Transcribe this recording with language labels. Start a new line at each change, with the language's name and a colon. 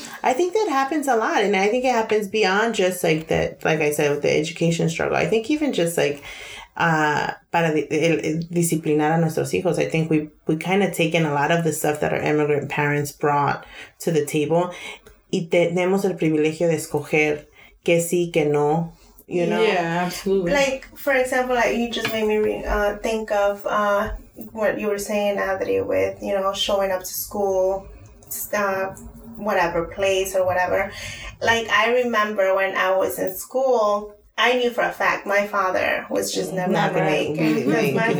English: I think that happens a lot, and I think it happens beyond just like that, like I said, with the education struggle. I think even just like
Spanish: para disciplinar a nuestros hijos,
English: I think we kind of take in a lot of the stuff that our immigrant parents brought to the table.
Spanish: Y tenemos el privilegio de escoger que sí, que no,
English: you know? Yeah, absolutely. Like, for example, like you just made me think of what you were saying, Adri, with, you know, showing up to school, whatever place or whatever. Like, I remember when I was in school, I knew for a fact my father was just never going to make it.